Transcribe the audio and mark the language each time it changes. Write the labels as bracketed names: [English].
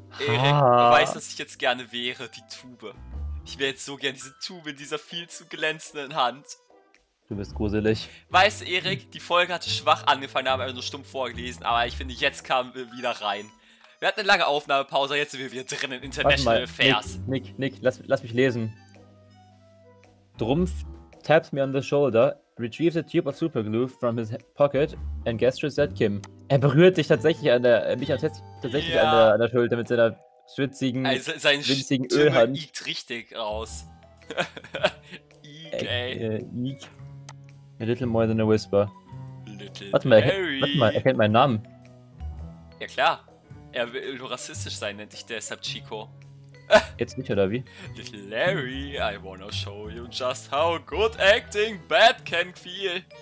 [German] Erik, du weißt, dass ich jetzt gerne wäre, die Tube. Ich wäre jetzt so gern diese Tube in dieser viel zu glänzenden Hand. Du bist gruselig. Weißt du, Erik, die Folge hatte schwach angefangen, da haben wir nur stumpf vorgelesen, aber ich finde, jetzt kamen wir wieder rein. Wir hatten eine lange Aufnahmepause, jetzt sind wir wieder drin in International Affairs. Nick, lass mich lesen. [English] Drumpf taps me on the shoulder, retrieves a tube of superglue from his pocket and gestures at Kim. [German] Er berührt sich tatsächlich an der Schulter mit seiner schwitzigen, winzigen Ölhand. Sein liegt richtig raus. [English] Eek. A little more than a whisper. [German] Warte mal, er kennt meinen Namen. Ja klar, er will nur rassistisch sein, nennt sich deshalb Chico. Jetzt nicht, oder wie? [English] Little Larry, I wanna show you just how good acting bad can feel.